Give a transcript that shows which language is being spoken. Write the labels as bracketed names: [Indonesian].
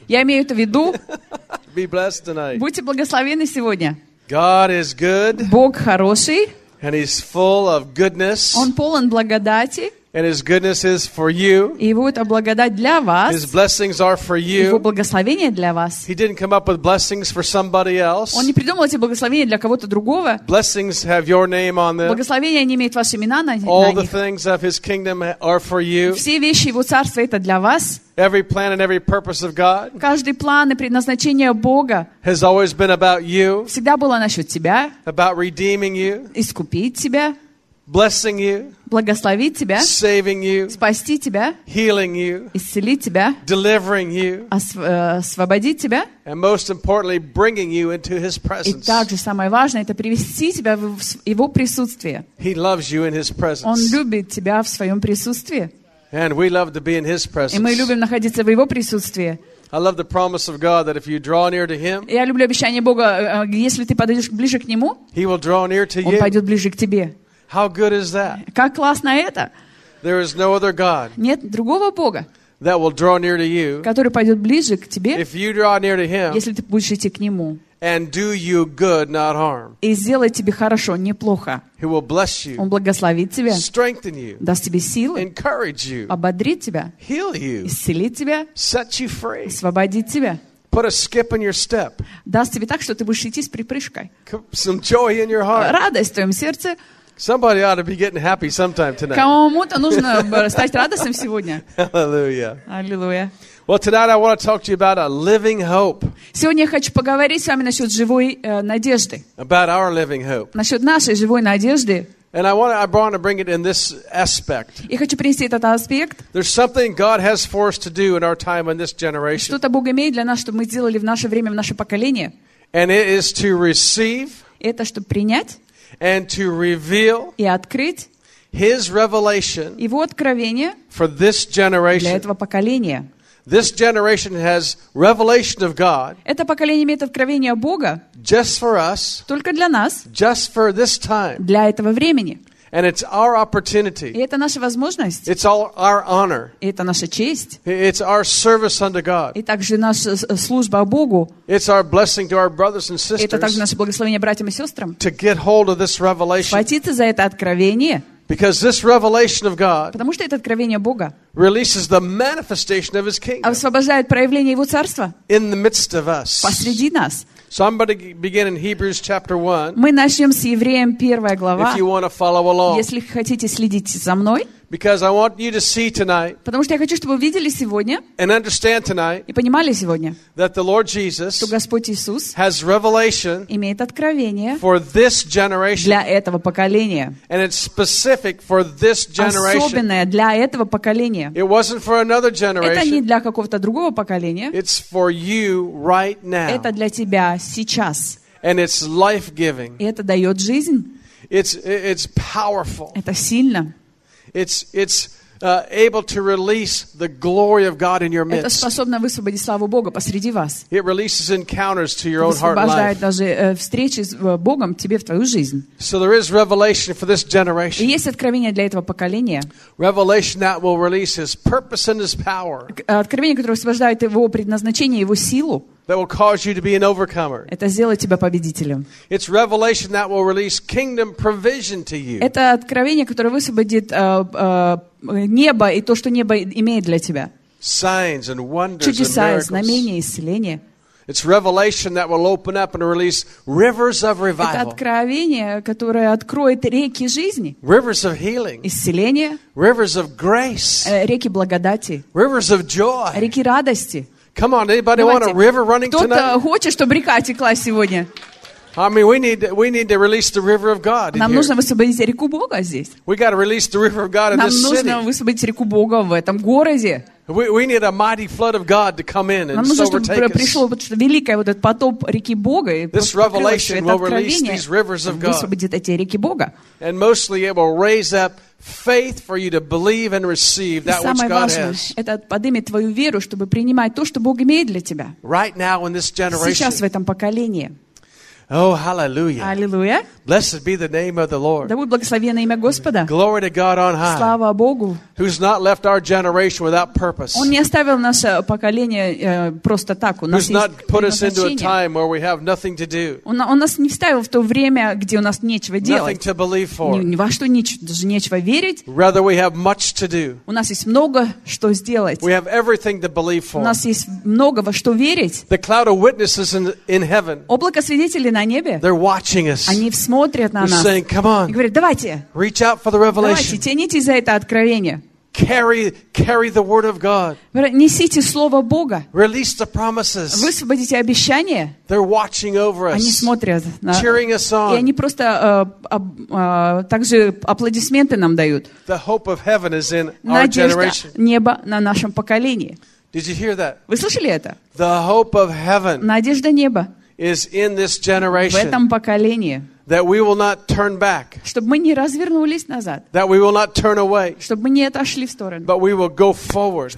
[Russian] Я имею это в виду. [English] Be blessed tonight. [Russian] Будьте благословены сегодня. [English] God is good. [Russian] Бог хороший. [English] And he's full of goodness. [Russian] Он полон благодати. [English] And his goodness is for you. [Russian] И его это благодать для вас. [English] His blessings are for you. [Russian] Его благословение для вас. [English] He didn't come up with blessings for somebody else. [Russian] Он не придумал эти благословения для кого-то другого. [English] Blessings have your name on them. [Russian] Благословения не имеют ваши имена на них. [English] All the things of his kingdom are for you. [Russian] Все вещи его царства это для вас. [English] Every plan and every purpose of God. [Russian] Каждый план и предназначение Бога. [English] Has always been about you. [Russian] Всегда было насчет тебя. [English] About redeeming you. [Russian] Искупить тебя. [English] Blessing you. [Russian] Благословить тебя. [English] Saving you. [Russian] Спасти тебя. [English] Healing you. [Russian] Исцелить тебя. [English] Delivering you. [Russian] Освободить тебя. [English] And most importantly, bringing you into his presence. [Russian] И также самое важное это привести тебя в его присутствие. [English] He loves you in his presence. [Russian] Он любит тебя в своем присутствии. [English] And we love to be in his presence. [Russian] И мы любим находиться в его присутствии. [English] I love the promise of God that if you draw near to him. [Russian] Я люблю обещание Бога, если ты подойдешь ближе к нему. [English] He will draw near to you. [Russian] Он пойдет ближе к тебе. [English] How good is that? [Russian] Как классно это! [English] There is no other God. [Russian] Нет другого Бога. [English] That will draw near to you. [Russian] Который пойдет ближе к тебе. [English] If you draw near to him. [Russian] Если ты будешь идти к нему. [English] And do you good, not harm. [Russian] И сделает тебе хорошо, не плохо. [English] He will bless you. [Russian] Он благословит тебя. [English] Strengthen you. [Russian] Даст тебе силы. [English] Encourage you. [Russian] Ободрит тебя. [English] Heal you. [Russian] Исцелит тебя. [English] Set you free. [Russian] Освободит тебя. [English] Put a skip in your step. [Russian] Даст тебе так, что ты будешь идти с припрыжкой. [English] Some joy in your heart. [Russian] Радость в твоем сердце. [English] Somebody ought to be getting happy sometime tonight. [Russian] Кому-то нужно стать радостным сегодня. Hallelujah. Hallelujah. [English] Well, tonight I want to talk to you about a living hope. [Russian] Сегодня я хочу поговорить с вами насчет живой надежды. [English] About our living hope. [Russian] Насчет нашей живой надежды. [English] And I want to bring it in this aspect. [Russian] Я хочу принести этот аспект. [English] There's something God has for us to do in our time in this generation. [Russian] Что-то Бог имеет для нас, чтобы мы сделали в наше время, в наше поколение. [English] And it is to receive. [Russian] Это чтобы принять. [English] And to reveal [Russian] и открыть [English] his revelation [Russian] его откровение [English] for this generation. [Russian] Для этого поколения. [English] This generation has revelation of God. [Russian] Это поколение имеет откровение Бога. [English] Just for us. [Russian] Только для нас. [English] Just for this time. [Russian] Для этого времени. [English] And it's our opportunity. [Russian] И это наша возможность. [English] It's all our honor. [Russian] И это наша честь. [English] It's our service unto God. [Russian] И также наша служба Богу. [English] It's our blessing to our brothers and sisters. [Russian] И это также наше благословение братьям и сестрам. [English] To get hold of this revelation. [Russian] Схватиться за это откровение. [English] Because this revelation of God. [Russian] Потому что это откровение Бога. [English] Releases the manifestation of his kingdom. [Russian] Освобождает проявление его царства. [English] In the midst of us. [Russian] Посреди нас. [English] So I'm going to begin in Hebrews chapter 1. [Russian] Мы начнем с Евреям первая глава. [English] If you want to follow along. [Russian] Если хотите следить за мной. [English] Because I want you to see tonight. [Russian] Потому что я хочу, чтобы вы видели сегодня. [English] And understand tonight. [Russian] И понимали сегодня. [English] That the Lord Jesus. [Russian] Что Господь Иисус. [English] Has revelation. [Russian] Имеет откровение. [English] For this generation. [Russian] Для этого поколения. [English] And it's specific for this generation. [Russian] Особенное для этого поколения. [English] It wasn't for another generation. [Russian] Это не для какого-то другого поколения. [English] It's for you right now. [Russian] Это для тебя сейчас. [English] And it's life-giving. [Russian] И это дает жизнь. [English] It's powerful. [Russian] Это сильно. [English] It's able to release the glory of God in your midst. [Russian] Это способно высвободить славу Бога посреди вас. [English] It releases encounters to your own heart life. [Russian] Высвобождает даже встречи с Богом тебе в твою жизнь. [English] So there is revelation for this generation. [Russian] И есть откровение для этого поколения. [English] Revelation that will release His purpose and His power. [Russian] Откровение, которое высвобождает Его предназначение, Его силу. [English] That will cause you to be an overcomer. [Russian] Это сделает тебя победителем. [English] It's revelation that will release kingdom provision to you. [Russian] Это откровение, которое высвободит небо и то, что небо имеет для тебя. [English] Signs and wonders. [Russian] Чудеса, [English] and miracles. [Russian] Знамения, исцеления. [English] It's revelation that will open up and release rivers of revival. [Russian] Это откровение, которое откроет реки жизни. [English] Rivers of healing. [Russian] Исцеления. [English] Rivers of grace. [Russian] Реки благодати. [English] Rivers of joy. [Russian] Реки радости. [English] Come on, anybody [Russian] Давайте. [English] Want a river running [Russian] Кто-то [English] tonight? [Russian] Кто-то хочет, чтобы река текла сегодня? [English] I mean, we need to release the river of God [Russian] Нам [English] in [Russian] нужно [English] here. [Russian] Высвободить реку Бога здесь. [English] We got to release the river of God [Russian] Нам [English] in this city. [Russian] Нам нужно высвободить реку Бога в этом городе. [English] We need a mighty flood of God to come in and [Russian] нужно, [English] overtake [Russian] чтобы пришел [English] us. [Russian] Вот что-то великое, вот этот потоп реки Бога. [English] This revelation will release these rivers of God. [Russian] Высвободит эти реки Бога. [English] And mostly it will raise up faith for you to believe and receive that which God has. [Russian] И самое важное, это поднимет твою веру, чтобы принимать то, что Бог имеет для тебя. [English] Right now in this generation. [Russian] Сейчас в этом поколении. [English] Oh, hallelujah. Hallelujah. Blessed be the name of the Lord. [Russian] Да будет благословенно имя Господа. [English] Glory to God on high. [Russian] Слава Богу. [English] Who's not left our generation without purpose. [Russian] Он не оставил наше поколение просто так. У нас [English] Who's not put us into a time where we have nothing to do. [Russian] Он нас не вставил в то время, где у нас нечего делать. [English] Nothing to believe for. [Russian] Ни во что даже нечего верить. [English] Rather we have much to do. [Russian] У нас есть много что сделать. [English] We have everything to believe for. [Russian] У нас есть много во что верить. [English] The cloud of witnesses in heaven. [Russian] Облако свидетелей на небе. [English] They're watching us. [Russian] Они смотрят на нас. [English] Saying, come on. [Russian] И говорят, давайте. [English] Reach out for the revelation. [Russian] Давайте, тяните за это откровение. [English] Carry the word of God. [Russian] Несите слово Бога. [English] Release the promises. [Russian] Высвободите обещания. [English] They're watching over us. [Russian] Они смотрят на нас. [English] Cheering us on. [Russian] И они просто также аплодисменты нам дают. [English] The hope of heaven is in our generation. [Russian] Надежда неба на нашем поколении. [English] Did you hear that? [Russian] Вы слышали это? [English] The hope of heaven. [Russian] Надежда неба. [English] Is in this generation. [Russian] В этом поколении. [English] That we will not turn back. [Russian] Чтобы мы не развернулись назад. [English] That we will not turn away. [Russian] Чтобы мы не отошли в сторону. [English] But we will go forward.